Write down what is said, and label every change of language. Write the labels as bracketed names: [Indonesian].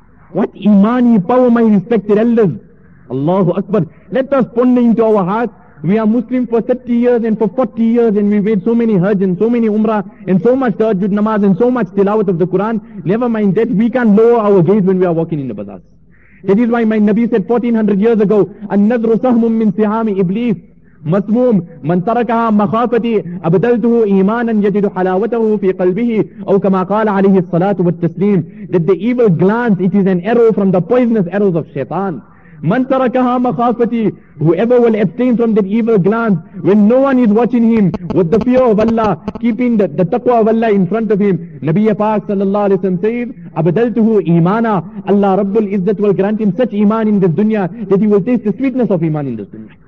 [English] What imani power, my respected elders. Allahu Akbar. Let us ponder into our hearts. We are Muslim for 30 years and for 40 years and we made so many hajj and so many umrah and so much tahajjud namaz and so much tilawat of the Quran. Never mind that, we can't lower our gaze when we are walking in the bazaars. That is why my Nabi said 1400 years ago, [Arabic] An-nadru sahmun min sihami iblis. مسموم من تركها مخافتي أبدلته إيمانا يجد حلاوته في قلبه أو كما قال عليه الصلاة والتسليم, [English] that the evil glance, it is an arrow from the poisonous arrows of shaitan. [Arabic] من تركها مخافتي, [English] whoever will abstain from that evil glance when no one is watching him, with the fear of Allah, keeping the taqwa of Allah in front of him. Nabi Paak sallallahu alayhi wa sallam says, [Arabic] أبدلته إيمانا, [English] Allah Rabbul Izzat will grant him such iman in this dunya that he will taste the sweetness of iman in this dunya.